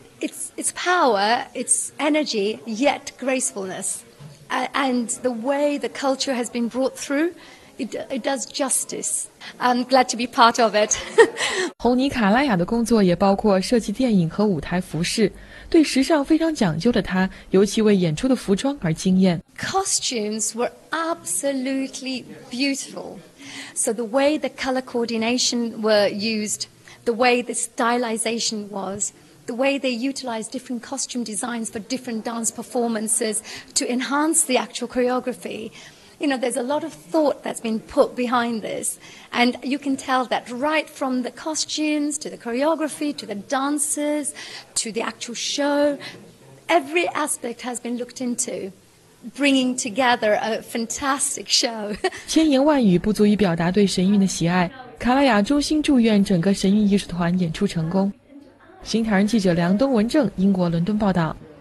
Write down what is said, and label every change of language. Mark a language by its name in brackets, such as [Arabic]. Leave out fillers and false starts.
[English] It's power, it's energy, yet gracefulness. And the way the culture has been brought through, it does justice. I'm glad to be part of it. [Chinese] 洪尼·卡拉雅的工作也包括设计电影和舞台服饰。对时尚非常讲究的他，尤其为演出的服装而惊艳。 [English] Costumes were absolutely beautiful. So the way the color coordination were used, the way the stylization was,The way they utilize different costume designs for different dance performances to enhance the actual choreography. You know, there's a lot of thought that's been put behind this. And you can tell that right from the costumes to the choreography to the dancers to the actual show, every aspect has been looked into. Bringing together a fantastic show. [Chinese] 千言万语不足以表达对神韵的喜爱。卡拉雅衷心祝愿整个神韵艺术团演出成功。新唐人记者梁东、文正，英国伦敦报道。